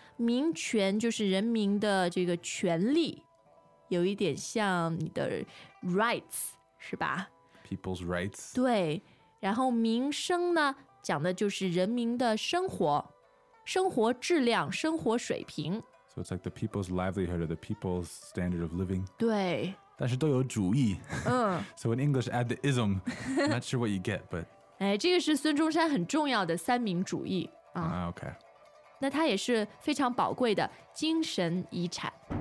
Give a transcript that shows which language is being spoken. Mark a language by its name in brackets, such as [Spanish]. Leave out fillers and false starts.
[Chinese] 民权就是人民的这个权利，有一点像你的 rights是吧？ [English] People's rights。 [Chinese] 对，然后民生呢，讲的就是人民的生活，生活质量，生活水平。 [English] So it's like the people's livelihood or the people's standard of living。 [Chinese] 对，但是都有主义。 [English] So in English add the ism, not sure what you get, but [Chinese] 哎，这个是孙中山很重要的三民主义。 OK，那它也是非常宝贵的精神遗产。